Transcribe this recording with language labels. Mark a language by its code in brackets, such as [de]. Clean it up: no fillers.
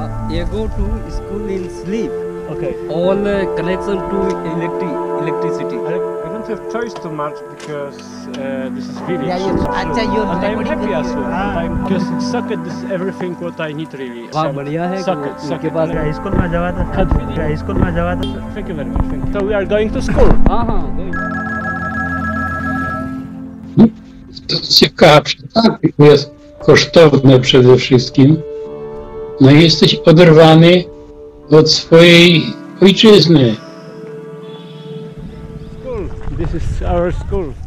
[en] You go to school in sleep. Okay. All connection to electricity. I don't have choice too much because this is village. Yeah, yes. And I'm happy as well. Because socket is everything what I need really. [hi] Wow, बढ़िया है. [en] Socket, socket. [hi] Yeah, high school में जवाब था. [en] Cut finish. [hi] Yeah, high school में जवाब था. [en] Thank you very much. Thank you. So we are going to school. Uh-huh. [pl] To ciekawe, tak, jest kosztowne przede wszystkim. No jesteś oderwany od swojej ojczyzny. [en] School, this is our school.